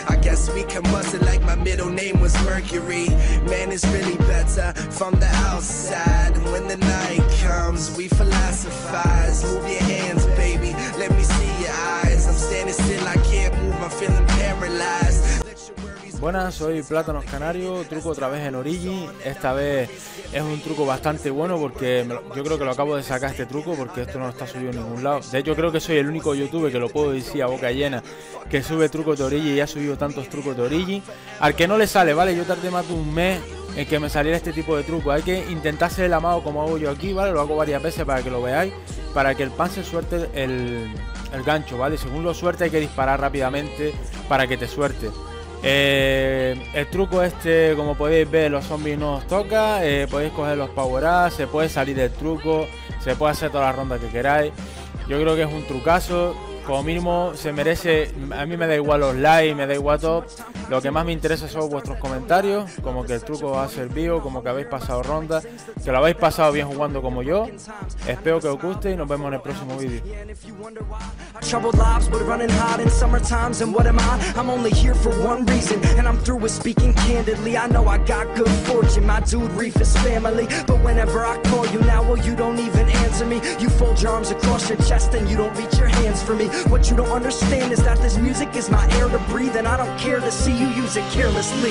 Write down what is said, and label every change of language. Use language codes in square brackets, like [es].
[en] I guess we can muster like my middle name was Mercury. Man, it's really better from the outside. When the night comes, we philosophize. Move your hands, baby, let me see your eyes. I'm standing still, I can't move, I'm feeling paralyzed. [es] Buenas, soy Platanoscanarios, truco otra vez en Origin. Esta vez es un truco bastante bueno porque yo creo que lo acabo de sacar este truco porque esto no está subido en ningún lado. De hecho, creo que soy el único youtuber que lo puedo decir a boca llena que sube trucos de Origin y ha subido tantos trucos de Origin. Al que no le sale, ¿vale? Yo tardé más de un mes en que me saliera este tipo de truco. Hay que intentar hacer el amago como hago yo aquí, ¿vale? Lo hago varias veces para que lo veáis, para que el pan se suelte el gancho, ¿vale? Según lo suerte hay que disparar rápidamente para que te suerte. El truco este, como podéis ver, los zombies no os toca, podéis coger los power ups, se puede salir del truco, se puede hacer todas las rondas que queráis. Yo creo que es un trucazo, como mínimo se merece, a mí me da igual los likes, me da igual todo. Lo que más me interesa son vuestros comentarios, como que el truco os ha servido, como que habéis pasado rondas, que lo habéis pasado bien jugando como yo. Espero que os guste y nos vemos en el próximo vídeo. [en] Troubled lives, we're running hot in summer times, and what am I? I'm only here for one reason, and I'm through with speaking candidly. I know I got good fortune, my dude Reef is family, but whenever I call you now, well, you don't even answer me. You fold your arms across your chest and you don't reach your hands for me. What you don't understand is that this music is my air to breathe, and I don't care to see you use it carelessly.